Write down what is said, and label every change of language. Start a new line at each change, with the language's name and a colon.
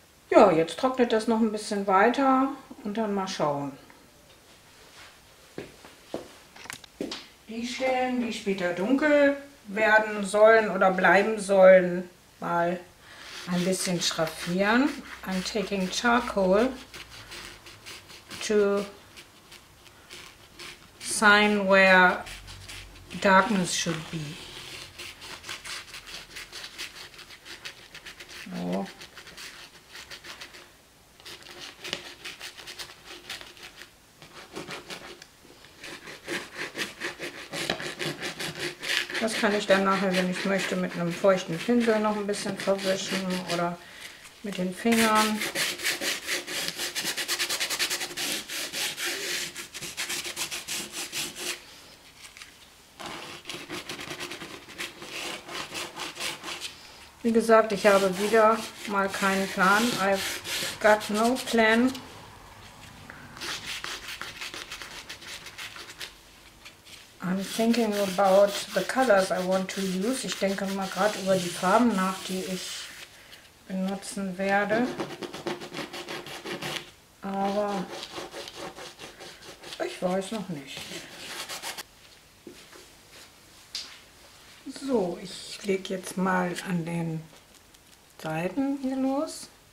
German: Ja, jetzt trocknet das noch ein bisschen weiter und dann mal schauen. Die Stellen, die später dunkel werden sollen oder bleiben sollen, mal ein bisschen schraffieren.
English: I'm taking charcoal to sign where darkness should be.
German: So. Das kann ich dann nachher, wenn ich möchte, mit einem feuchten Pinsel noch ein bisschen verwischen oder mit den Fingern. Wie gesagt, ich habe wieder mal keinen Plan.
English: I've got no plan. I'm thinking about the colors I want to use.
German: Ich denke mal gerade über die Farben nach, die ich benutzen werde. Aber ich weiß noch nicht. So, ich lege jetzt mal an den Seiten hier los.